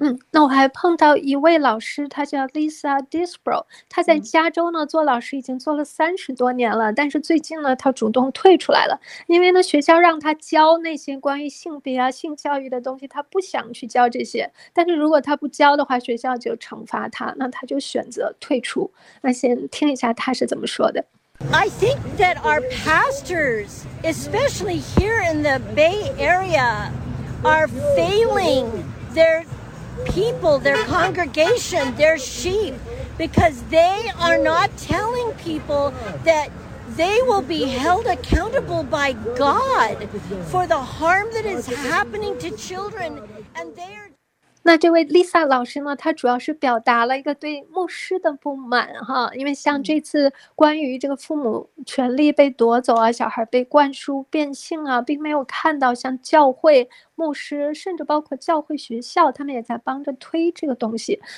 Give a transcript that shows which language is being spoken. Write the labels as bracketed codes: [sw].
[zh] 那我还碰到一位老师，他叫 Lisa Disbro， 他在加州呢做老师已经做了30多年了，但是最近呢他主动退出来了，因为呢学校让他教那些关于性别啊性教育的东西，他不想去教这些，但是如果他不教的话学校就惩罚他，那他就选择退出。那先听一下他是怎么说的。 [en] I think that our pastors, especially here in the Bay Area, are failing their people, their congregation, their sheep, because they are not telling people that they will be held accountable by God for the harm that is happening to children, and they are. [zh] 那这位 Lisa 老师呢，她主要是表达了一个对牧师的不满哈，因为像这次关于这个父母权利被夺走啊，小孩被灌输变性啊，并没有看到像教会牧师甚至包括教会学校他们也在帮着推这个东西。